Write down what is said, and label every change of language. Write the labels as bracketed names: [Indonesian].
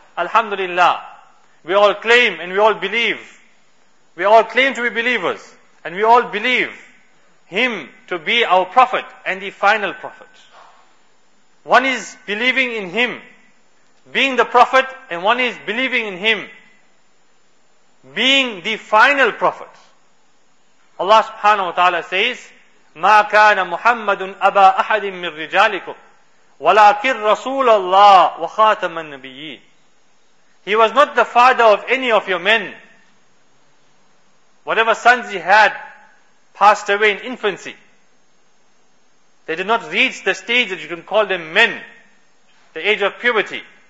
[English] Alhamdulillah, we all claim and we all believe, we all claim to be believers, and we all believe him to be our prophet and the final prophet. One is believing in him being the prophet, and one is believing in him being the final prophet. [Arabic] Allah subhanahu wa ta'ala says, مَا كَانَ مُحَمَّدٌ أَبَا أَحَدٍ مِّن رِجَالِكُمْ وَلَكِنْ رَسُولَ اللَّهِ وَخَاتَمَ النَّبِيِّينَ. [English] He was not the father of any of your men. Whatever sons he had passed away in infancy. They did not reach the stage that you can call them men, the age of puberty.